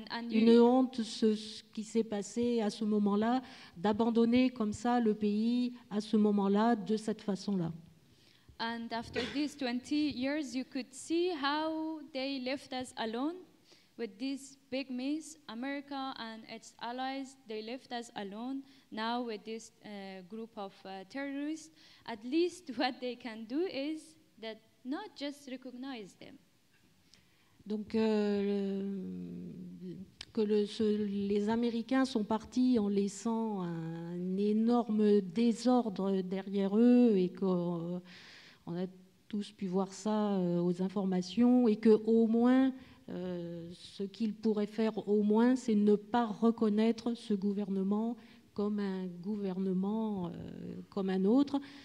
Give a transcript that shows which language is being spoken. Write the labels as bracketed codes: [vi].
[fr] une honte, ce qui s'est passé à ce moment-là, d'abandonner comme ça le pays à ce moment-là, de cette façon-là. [en] And after these 20 years, you could see how they left us alone. With this big miss, America and its allies, they left us alone now with this group of terrorists. At least what they can do is that not just recognize them. [fr] Donc, les Américains sont partis en laissant un énorme désordre derrière eux et qu'on a tous pu voir ça aux informations et qu'au moins, ce qu'ils pourraient faire au moins, c'est ne pas reconnaître ce gouvernement comme un gouvernement comme un autre.